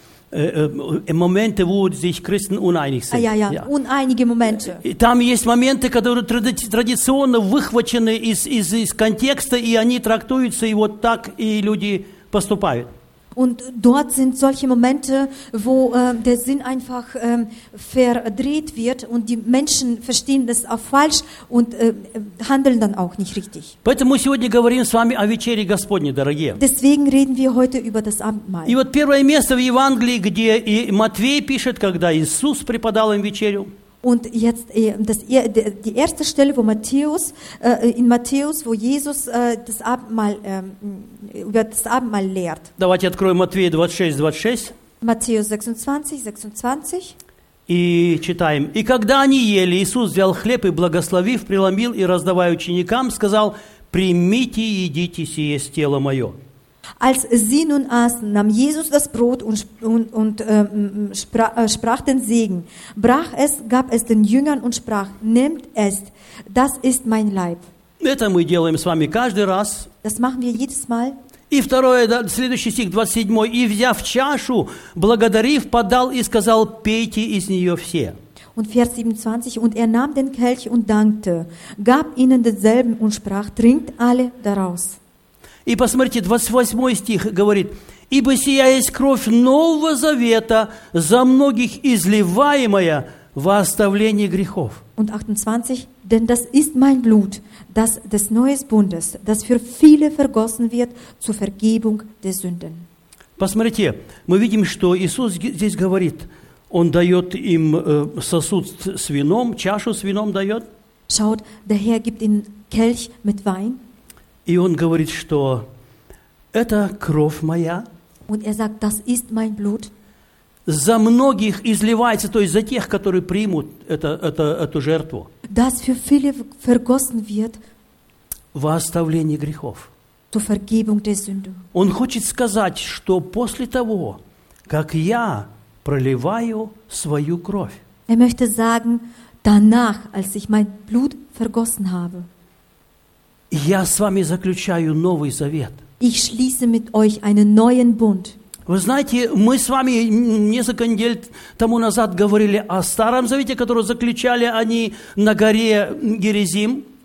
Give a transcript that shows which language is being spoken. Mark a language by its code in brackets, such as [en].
[de] Моменты, wo sich Christen uneinig sind. Uneinige Momente. [ru] Там есть моменты, которые традиционно выхвачены из контекста, и они трактуются, и вот так и люди поступают. [de] Und dort sind solche Momente, wo der Sinn einfach verdreht wird und die Menschen verstehen das auch falsch und handeln dann auch nicht richtig. [ru] Поэтому сегодня говорим с вами о вечере Господней, дорогие. [de] Deswegen reden wir heute über das Abendmahl. [ru] И вот первое место в Евангелии, где и Матвей пишет, когда Иисус преподал им вечерю. [de] Und jetzt das, die erste Stelle, wo Matthäus, in Matthäus, wo Jesus das Abendmahl, über das Abendmahl lehrt. [ru] Давайте откроем Матвея 26, 26. [de] Matthäus 26, 26. [ru] И читаем. «И когда они ели, Иисус взял хлеб и, благословив, преломил и, раздавая ученикам, сказал, «Примите и едите сие с тела мое». [de] Als sie nun aßen, nahm Jesus das Brot und sprach den Segen, brach es, gab es den Jüngern und sprach, nehmt es, das ist mein Leib. [ru] Это мы делаем с вами каждый раз. [de] Das machen wir jedes Mal. [ru] И второе, да, следующий стих, 27, и взяв чашу, благодарив, подал и сказал, пейте из нее все. [de] Und Vers 27, und er nahm den Kelch und dankte, gab ihnen denselben und sprach, trinkt alle daraus. [ru] И посмотрите, 28 стих говорит, «Ибо сия есть кровь Нового Завета, за многих изливаемая во оставление грехов». [de] Und 28, «Denn das ist mein Blut, das des Neues Bundes, das für viele vergossen wird zur Vergebung der Sünden». [ru] Посмотрите, мы видим, что Иисус здесь говорит, Он дает им сосуд с вином, чашу с вином дает. [de] Schaut, der Herr gibt ihnen Kelch mit Wein. [ru] И он говорит, что это кровь моя. [de] Und er sagt, das ist mein Blut. [ru] За многих изливается, то есть за тех, которые примут эту жертву. [de] Das für viele vergossen wird. [ru] Во оставление грехов. [de] Zur Vergebung der Sünde. [ru] Он хочет сказать, что после того, как я проливаю свою кровь. [de] Er möchte sagen, danach, als ich mein Blut vergossen habe. [ru] Я с вами заключаю новый завет. [de] Ich schließe mit euch einen neuen Bund. [ru] Вы знаете, мы с вами несколько недель тому назад говорили о старом завете, который заключали они на горе Герезим.